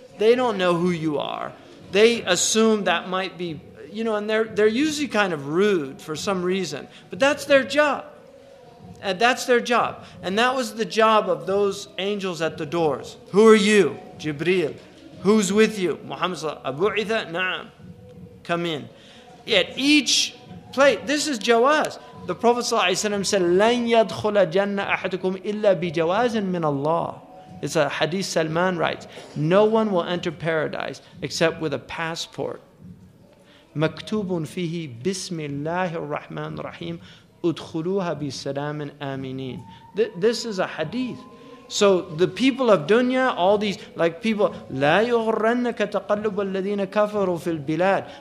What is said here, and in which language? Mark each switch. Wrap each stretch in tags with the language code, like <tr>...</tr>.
<en>They don't know who you are. They assume that might be, you know, and they're usually kind of rude for some reason. But that's their job. And that's their job. And that was the job of those angels at the doors. Who are you? Jibreel. Who's with you? Muhammad sallallahu alayhi wa sallam. Abu'itha, na'am. Come in. At each place, this is Jawaz. The Prophet ﷺ said,</en> <ar>لَنْ يَدْخُلَ جَنَّ أَحَدُكُمْ إِلَّا بِجَوَازٍ مِّنَ اللَّهِ.</ar> <en>It's a hadith Salman writes, no one will enter paradise except with a passport.</en> <ar>مَكْتُوبٌ فِيهِ بِسْمِ اللَّهِ الرَّحْمَنِ الرَّحِيمِ اُدْخُلُوهَا بِسَلَامٍ آمِنِينَ.</ar> <en>This is a hadith. So the people of dunya, all these, like people,</en> <ar>لَا يُغْرَنَّكَ تَقَلُّبُ الَّذِينَ كَفَرُوا فِي الْبِلَادِ.</ar>